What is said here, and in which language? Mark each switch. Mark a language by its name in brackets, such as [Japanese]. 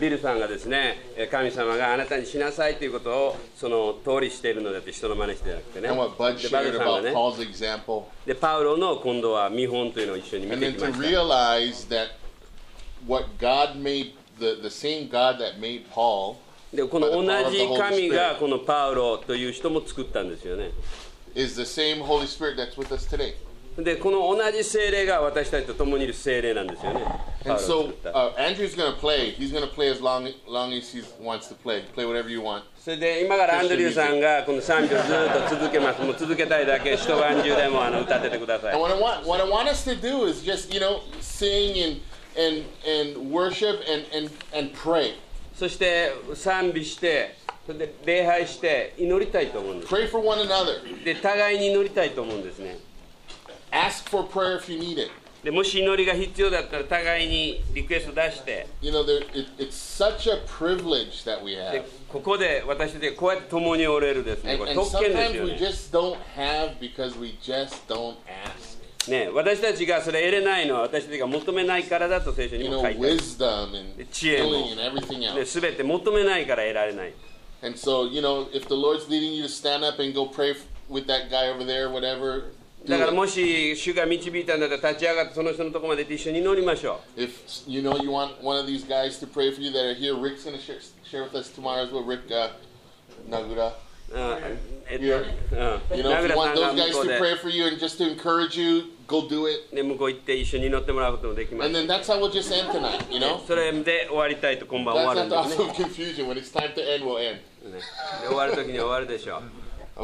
[Japanese] ビルさんがですね、神様があなたにしなさいということをその通りしているのだって人の真似してなくてね。 [English] And what Bud shared about Paul's example. [Japanese] で、パウロの今度は見本というのを一緒に見てきました。 [English] And then to realize thatWhat God made, the same God that made Paul, [Japanese] でこの同じ神がこのパウロという人も作ったんですよね。 [English] Is the same Holy Spirit that's with us today. [Japanese] でこの同じ聖霊が私たちと共にいる聖霊なんですよね。 [English] And so, Andrew's going to play. He's going to play as long as he wants to play. Play whatever you want. [Japanese] それで今からアンドリューさんがこの賛美をずっと続けます。もう続けたいだけ、一晩中でも歌っててください。 [English] What I want us to do is just, you know, sing andand worship and pray. [Japanese] そして賛美して、それで礼拝して祈りたいと思うんです。 [English] Pray for one another. [Japanese] で互いに祈りたいと思うんですね。 [English] Ask for prayer if you need it. [Japanese] でもし祈りが必要だったら互いにリクエスト出して。 [English] You know, it's such a privilege that we have. [Japanese] でここで私たちがこうやって共におれるですね。これ特権ですよね。 [English] And sometimes we just don't have because we just don't ask. [Japanese] ね、私たちがそれ得れないのは私たちが求めないからだと聖書にも書いてある。で知恵も、ね、全て求めないから得られない。 [English] And so, you know, if the Lord's leading you to stand up and go pray with that guy over there, whatever, do [Japanese] だからもし主が導いたんだったら立ち上がってその人のところまで一緒に祈りましょう。 [English] If you know you want one of these guys to pray for you that are here, Rick's going to share with us tomorrow as well, Rick Nagura. You know, if you want those guys to pray for you and just to encourage you, go do it. And then that's how we'll just end tonight, you know? [Japanese] それで終わりたいと今晩終わるんですね。 [English] That's not awesome confusion. When it's time to end, we'll end. [Japanese] 終わる時に終わるでしょう。